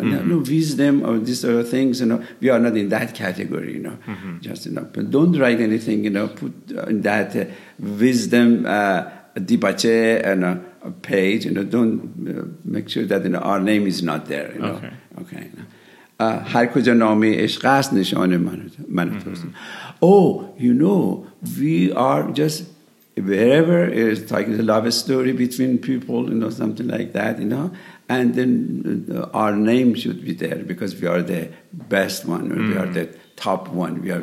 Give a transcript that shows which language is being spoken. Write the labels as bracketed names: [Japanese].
[English] No wisdom or these sort of things, you know. We are not in that category, you know. Just, you know, but don't write anything, you know, put in that wisdom, debache, and a page, you know. Don't make sure that, you know, our name is not there, you know. Okay. [Persian] هر کجا نامی عشق است نشان من توست. [English] Oh, you know, we are just... wherever is like a love story between people, you know, something like that, you know, and then our name should be there because we are the best one, or we are the top one.